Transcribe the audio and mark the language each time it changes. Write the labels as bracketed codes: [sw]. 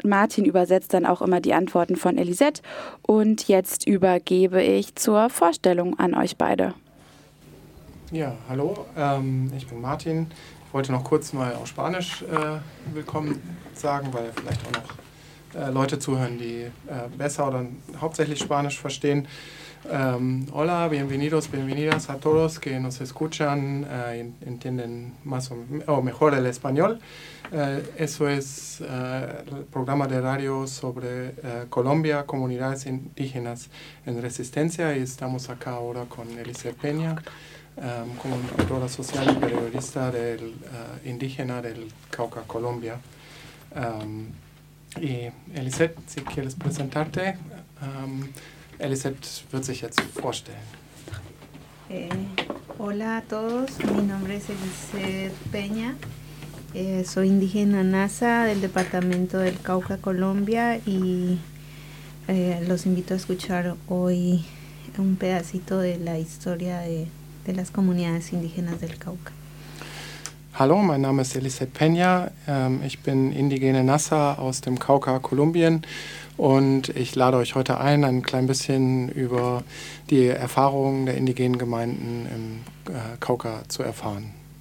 [de] Martin übersetzt dann auch immer die Antworten von Elisette. Und jetzt übergebe ich zur Vorstellung an euch beide. Ja, hallo, ich bin Martin. Ich wollte noch kurz mal auf Spanisch willkommen sagen, weil vielleicht auch noch Leute zuhören, die besser oder hauptsächlich Spanisch verstehen. [es] Hola, bienvenidos, bienvenidas a todos que nos escuchan, entienden más o mejor el español. Eso es el programa de radio sobre Colombia, comunidades indígenas en resistencia, y estamos acá ahora con Elisette Peña, comunicadora social y periodista del indígena del Cauca, Colombia. Y Elisette, si quieres presentarte. [de] Elisette wird sich jetzt vorstellen. [es] Hola a todos, mi nombre es Elisette Peña. Soy indígena Nasa del departamento del Cauca, Colombia, y los invito a escuchar hoy un pedacito de la historia de las comunidades indígenas del Cauca. [de] Hallo, mein Name ist Elisette Peña. Ich bin indigene Nasa aus dem Cauca, Kolumbien. Und ich lade euch heute ein klein bisschen über die Erfahrungen der indigenen Gemeinden im Cauca zu erfahren.